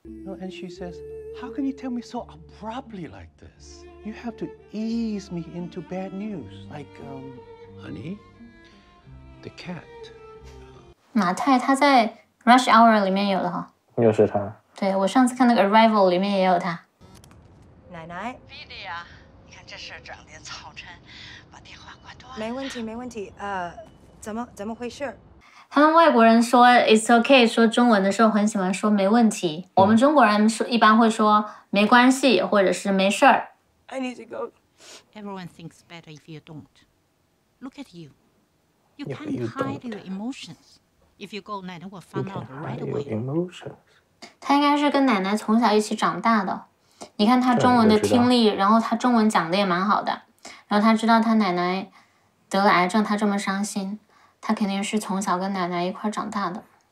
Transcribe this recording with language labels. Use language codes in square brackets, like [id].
[en] No, and she says, how can you tell me so abruptly like this? You have to ease me into bad news, like, Honey, the cat. [zh] 马太他在 Rush Hour 里面有的哈。又是他。对，我上次看那个 Arrival 里面也有他。奶奶。 Billy 啊，你看这事整的早晨，把电话挂断了。没问题，没问题。怎么回事？他们外国人说 [en] it's okay [zh] 说中文的时候很喜欢说没问题，我们中国人一般会说没关系或者是没事儿。 [en] I need to go. Everyone thinks better if you don't. Look at you. You can't hide your emotions. If you go, [zh] 奶奶 [en] will find out right away. Emotions. [zh] 他应该是跟奶奶从小一起长大的，你看他中文的听力，然后他中文讲的也蛮好的，然后他知道他奶奶得了癌症，他这么伤心。他肯定是从小跟奶奶一块长大的。